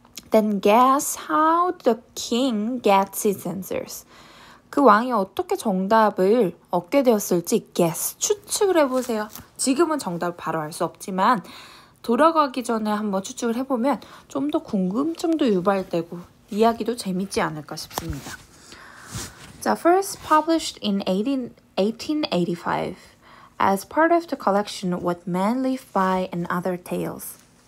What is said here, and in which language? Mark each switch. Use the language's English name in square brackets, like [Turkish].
[English] Then guess how the king gets his answers. [Korean] 그 왕이 어떻게 정답을 얻게 되었을지 guess, 추측을 해보세요. 지금은 정답을 바로 알 수 없지만 돌아가기 전에 한번 추측을 해보면 좀 더 궁금증도 유발되고 이야기도 재밌지 않을까 싶습니다. [English] So first published in 1885 as part of the collection What Men Live By and Other Tales.